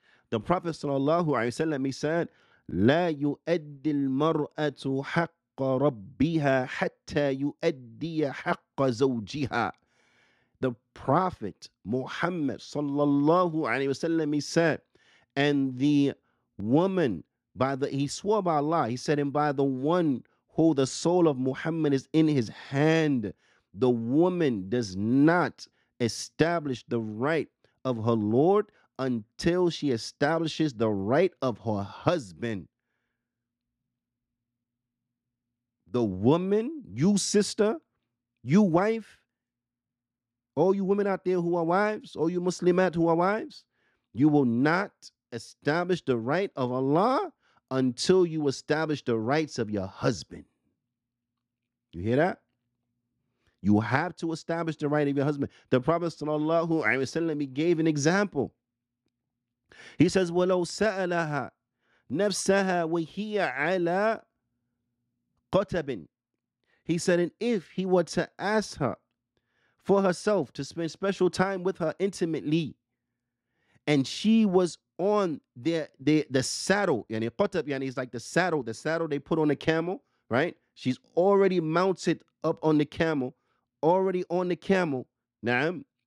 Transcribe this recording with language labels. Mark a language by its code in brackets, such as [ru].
[en] The Prophet sallallahu alaihi wasallam said, [ar] لَا يُؤَدِّ الْمَرْأَةُ حَقَّ رَبِّهَا حَتَّى يُؤَدِّيَ حَقَّ زَوْجِهَا. [en] The Prophet Muhammad sallallahu alaihi wasallam, he said, and the woman, he swore by Allah, he said, and by the one who the soul of Muhammad is in his hand, the woman does not establish the right of her Lord until she establishes the right of her husband. The woman, you sister, you wife, all you women out there who are wives, all you Muslimat who are wives, you will not establish the right of Allah until you establish the rights of your husband. You hear that? You have to establish the right of your husband. The Prophet sallallahu alaihi wasallam, he gave an example. He says, [ar] وَلَوْ سَأَلَهَا نَفْسَهَا وَهِيَ عَلَىٰ قَتَبٍ. [en] He said, and if he were to ask her for herself to spend special time with her intimately, and she was on the saddle, yani qatab, yani is like the saddle they put on the camel, right? She's already mounted up on the camel, already on the camel, na'am.